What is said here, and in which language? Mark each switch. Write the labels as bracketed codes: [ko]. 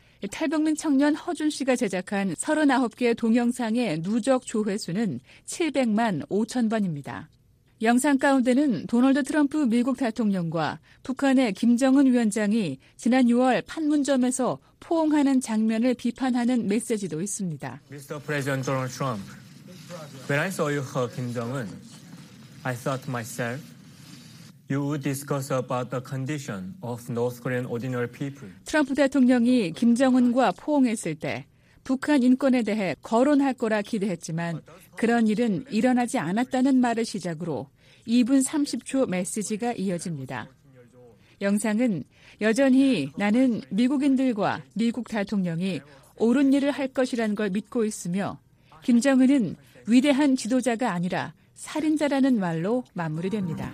[ko] 탈북민 청년 허준 씨가 제작한 39개 동영상의 누적 조회수는 700만 5천 번입니다. 영상 가운데는 도널드 트럼프 미국 대통령과 북한의 김정은 위원장이 지난 6월 판문점에서 포옹하는 장면을 비판하는 메시지도 있습니다. [en] Mr. President Donald Trump, when I saw you hug Kim Jong-un, I thought myself, you would discuss about the condition of North Korean ordinary people. [ko] 트럼프 대통령이 김정은과 포옹했을 때 북한 인권에 대해 거론할 거라 기대했지만 그런 일은 일어나지 않았다는 말을 시작으로 2분 30초 메시지가 이어집니다. 영상은 여전히 나는 미국인들과 미국 대통령이 옳은 일을 할 것이라는 걸 믿고 있으며 김정은은 위대한 지도자가 아니라 살인자라는 말로 마무리됩니다.